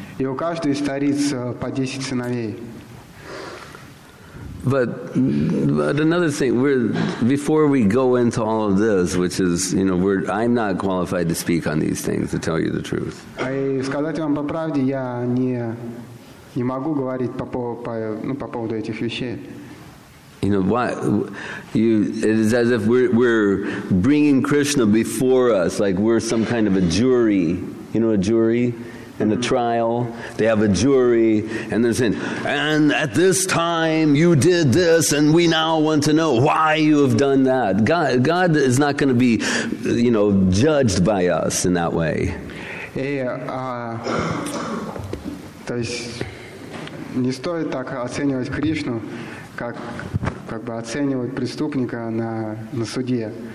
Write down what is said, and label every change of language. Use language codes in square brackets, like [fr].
[ru] И у каждой из цариц по 10 сыновей. [en] But another thing, before we go into all of this, which is, you know, I'm not qualified to speak on these things, to tell you the truth. [ru] И сказать вам по правде, я не могу говорить по поводу этих вещей. [en] You know why? It is as if we're bringing Krishna before us, like we're some kind of a jury. You know, a jury. In the trial, they have a jury, and they're saying, and at this time you did this, and we now want to know why you have done that. God is not going to be, you know, judged by us in that way. [ru] То есть не стоит так оценивать Кришну, как бы оценивать преступника на суде.